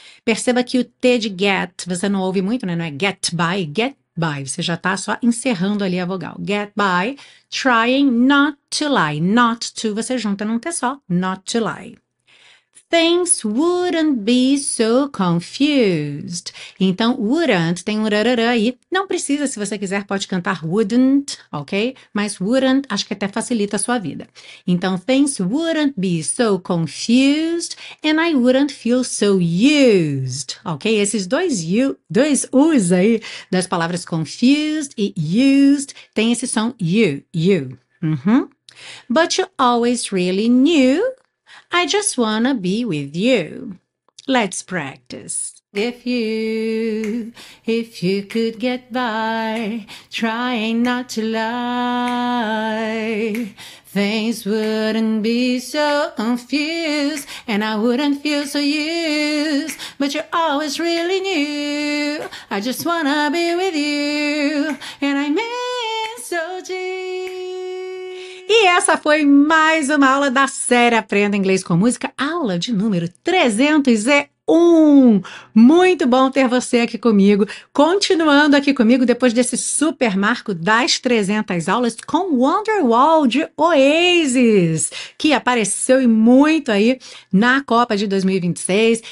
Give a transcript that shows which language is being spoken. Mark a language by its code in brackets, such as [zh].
[pt] Perceba que o T de get, você não ouve muito, né? Não é get by, get by. Você já está só encerrando ali a vogal. [en] Get by trying not to lie. [pt] Not to, você junta num T só. [en] Not to lie. Things wouldn't be so confused. [pt] Então, wouldn't, tem um rarará aí. Não precisa, se você quiser, pode cantar wouldn't, ok? Mas wouldn't, acho que até facilita a sua vida. Então, [en] things wouldn't be so confused and I wouldn't feel so used, [pt] ok? Esses dois U's aí das palavras confused e used tem esse som you, you. Uhum. [en] But you always really knew I just wanna be with you. Let's practice. If you could get by trying not to lie, things wouldn't be so confused and I wouldn't feel so used. But you always really knew I just wanna be with you and I miss so deep. [pt] E essa foi mais uma aula da série Aprenda Inglês com Música, aula de número 301. Muito bom ter você aqui comigo, continuando aqui comigo depois desse super marco das 300 aulas com Wonderwall de Oasis, que apareceu e muito aí na Copa de 2026.